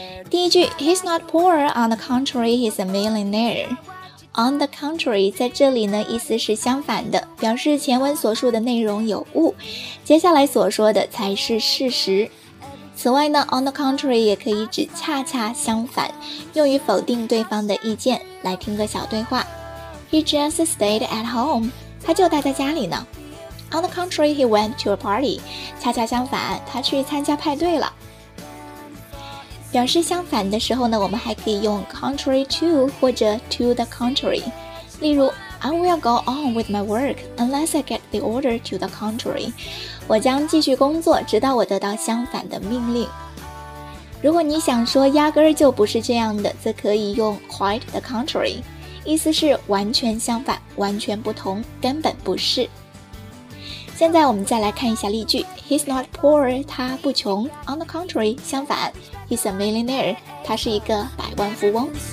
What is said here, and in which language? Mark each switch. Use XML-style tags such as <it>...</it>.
<zh>第一句</zh> <en>He's not poor, on the contrary, he's a millionaire。 On the contrary,</en> <zh>在这里呢，意思是相反的，表示前文所述的内容有误，接下来所说的才是事实。此外呢，</zh> <en>on the contrary</en> <zh>也可以指恰恰相反，用于否定对方的意见。来听个小对话。</zh> <en>He just stayed at home.</en> <zh>他就待在家里呢。</zh> <en>On the contrary, he went to a party.</en> <zh>恰恰相反，他去参加派对了。表示相反的时候呢，我们还可以用</zh> <en>contrary to</en> <zh>或者</zh> <en>to the contrary。</en> <zh>例如</zh> <en>I will go on with my work unless I get the order to the contrary。</en> <zh>我将继续工作，直到我得到相反的命令。如果你想说压根儿就不是这样的，则可以用</zh> <en>quite the contrary，</en> <zh>意思是完全相反，完全不同，根本不是。现在我们再来看一下例句。</zh> <en>He's not poor，</en> <zh>他不穷。</zh> <en>On the contrary，</en> <zh>相反。</zh> <en>He's a millionaire，</en> <zh>他是一个百万富翁。</zh>